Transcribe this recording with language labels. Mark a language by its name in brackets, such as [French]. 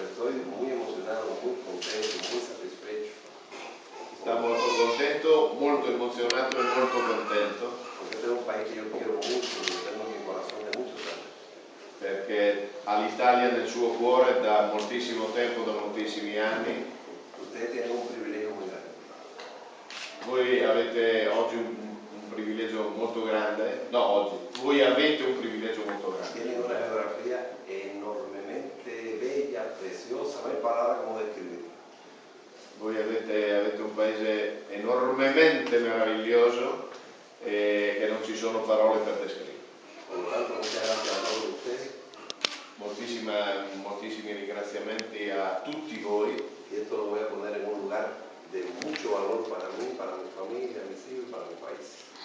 [Italian] Sono molto emozionato, molto contento, molto [Spanish] satisfecho. [Italian] Sta molto contento, molto emozionato e molto contento. Perché è un paese che io [Spanish] quiero [Italian] molto, lo [Spanish] tengo [Italian] nel [Spanish] corazón de muchos años. [Italian] Perché ha l'Italia nel suo cuore da moltissimo tempo, da moltissimi anni. [Spanish] Ustedes tienen un privilegio muy grande. [Italian] Voi avete oggi un privilegio molto grande. No, oggi. Voi avete un privilegio molto grande. [Spanish] Tiene una geografia enormemente bella, preciosa, [Italian] non [Spanish] hay palabra como describirla. [Italian] Voi avete un paese enormemente meraviglioso e che non ci sono parole per descrivere. Pertanto, [Spanish] muchas gracias a todos ustedes. [Italian] Moltissimi ringraziamenti a tutti voi. [Spanish] Y esto lo voy a poner en un lugar de mucho valor para mí, para mi familia, mis hijos y para mi país.